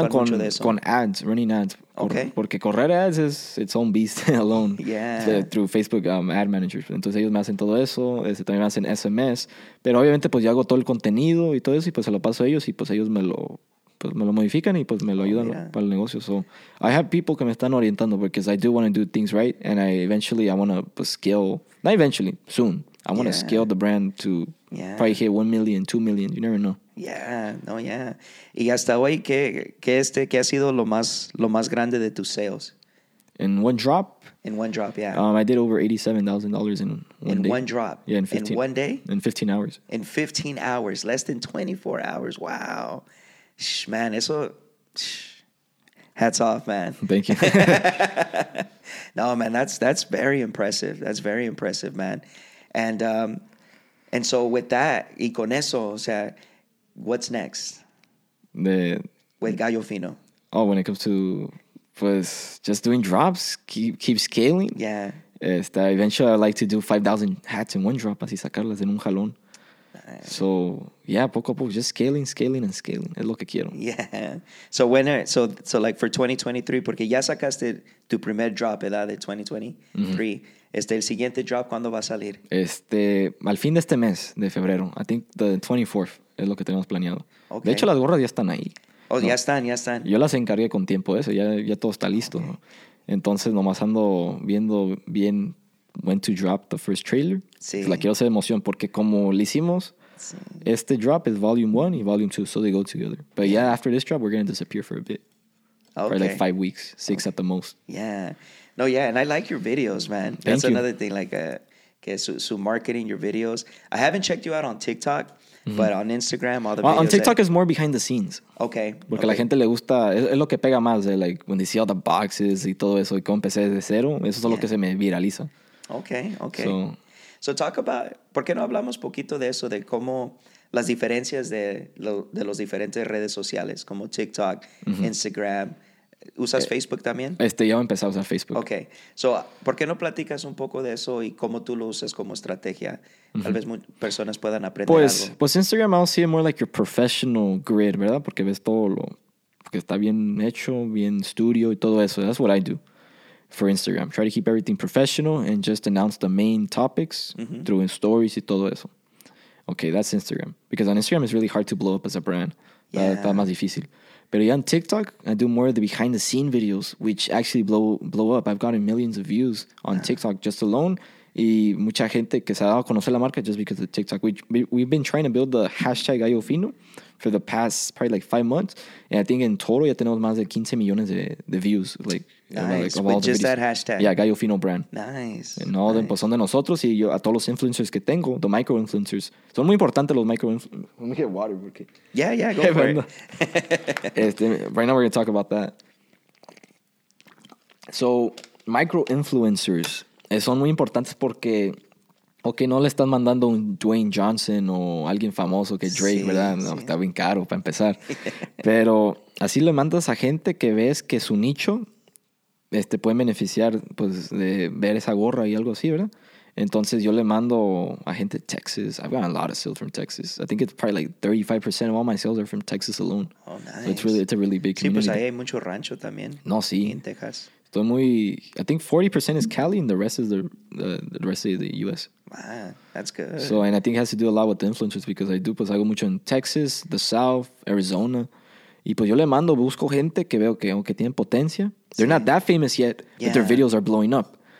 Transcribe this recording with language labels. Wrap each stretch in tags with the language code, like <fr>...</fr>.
<es>ayudan con ads,</es> <en>running ads.</en> <es>Porque correr ads es</es> <en>its own beast alone. Yeah. Through Facebook ad managers.</en> <es>Entonces ellos me hacen todo eso. También me hacen SMS. Pero obviamente pues yo hago todo el contenido y todo eso. Y pues se lo paso a ellos. Y pues ellos me lo modifican y pues me lo ayudan para el negocio.</es> <en>So I have people</en> <es>que me están orientando. Porque</es> <en>I do want to do things right. And I want to scale the brand to probably hit 1 million, 2 million. You never know. Yeah,</en> <es>no, yeah. ¿Y hasta hoy qué ha sido lo más grande de tus sales?</es> <en>In one drop? In one drop, yeah. I did over $87,000 in one day. In one drop? Yeah, in 15. In one day? In 15 hours. In 15 hours, less than 24 hours. Wow. Shh, man,</en> <es>eso...</es> <en>Hats off, man. Thank you. No, man, that's very impressive. That's very impressive, man. And so with that,</en> <es>y con eso, o sea,</es> <en>what's next? With Galló Fino. Oh, when it comes to, pues, just doing drops, keep scaling. Yeah. Eventually, I like to do 5,000 hats in one drop,</en> <es>así sacarlas en un jalón.</es> <en>So, yeah,</en> <es>poco a poco,</es> <en>just scaling, and scaling.</en> <es>Es lo que quiero.</es> <en>Yeah. So, like for 2023,</en> <es>porque ya sacaste tu primer drop, ¿verdad? De 2023. Mm-hmm. ¿El siguiente drop cuándo va a salir? Al fin de este mes de febrero.</es> <en>I think the 24th</en> <es>es lo que tenemos planeado. Okay. De hecho, las gorras ya están ahí. Oh, ¿no? Ya están. Yo las encargué con tiempo eso. Ya todo está listo. Okay. ¿No? Entonces, nomás ando viendo bien</es> <en>when to drop the first trailer.</en> <es>Sí. La quiero hacer emoción porque como lo hicimos, sí. este drop es volume 1 y volume 2,</es> <en>so they go together. But yeah, after this drop, we're going to disappear for a bit. Okay. For like 5 weeks, 6 okay. at the most. Yeah. No, yeah, and I like your videos, man. Thank That's you. Another thing, like,</en> <es>que su marketing,</es> <en>your videos. I haven't checked you out on TikTok, mm-hmm. but on Instagram, all the well, videos. On TikTok, is more behind the scenes. Okay.</en> <es>Porque la gente le gusta, es lo que pega más, like,</es> <en>when they see all the boxes</en> <es>y todo eso, y cómo empecé desde cero, eso es lo que se me viraliza. Okay.</es> <en>So talk about,</en> <es>¿por qué no hablamos poquito de eso, de cómo las diferencias de los diferentes redes sociales, como TikTok, mm-hmm. Instagram, ¿usas Facebook también? Ya he empezado a usar Facebook. Okay. So, ¿por qué no platicas un poco de eso y cómo tú lo usas como estrategia? Mm-hmm. Tal vez personas puedan aprender algo. Pues</es> <en>Instagram, I'll see it more like your professional grid,</en> <es>¿verdad? Porque ves todo lo que está bien hecho, bien estudio y todo eso.</es> <en>That's what I do for Instagram. Try to keep everything professional and just announce the main topics mm-hmm. through stories</en> <es>y todo eso.</es> <en>Okay, that's Instagram. Because on Instagram, it's really hard to blow up as a brand. Yeah.</en> <es>Está más difícil.</es> <en>But on TikTok, I do more of the behind the scene videos, which actually blow up. I've gotten millions of views on TikTok just alone.</en> <es>Y mucha gente que se ha dado a conocer la marca</es> <en>just because of TikTok. We've been trying to build the hashtag Galló Fino for the past probably like 5 months. And I think in total,</en> <es>ya tenemos más de 15 millones de</es> <en>views. Like, nice. Like, with just that hashtag. Yeah, Galló Fino Brand. Nice. No, nice.</en> <es>Pues son de nosotros y yo, a todos los influencers que tengo,</es> <en>the micro influencers.</en> <es>Son muy importantes los micro influencers.</es> <en>Let me get water.</en> <es>Porque...</es> <en>Yeah, go for it. Right now we're going to talk about that. So, micro influencers.</en> <es>Son muy importantes porque, ok, no le están mandando un Dwayne Johnson o alguien famoso que Drake, sí, ¿verdad? No, sí. Está bien caro para empezar. Pero así le mandas a gente que ves que su nicho puede beneficiar, pues, de ver esa gorra y algo así, ¿verdad? Entonces yo le mando a gente de Texas.</es> <en>I've gotten a lot of sales from Texas. I think it's probably like 35% of all my sales are from Texas alone. Oh, nice. So it's a really big community.</en> <es>Sí, pues ahí hay mucho rancho también. No, sí. En Texas.</es> <en>I think 40% is Cali and the rest is the rest of the U.S. Wow, that's good. So, and I think it has to do a lot with the influencers because I do,</en> <es>pues, hago mucho en Texas,</es> <en>the South, Arizona.</en> <es>Y, pues, yo le mando, busco gente que veo que aunque tienen potencia.</es> <en>They're not that famous yet, but their videos are blowing up.</en>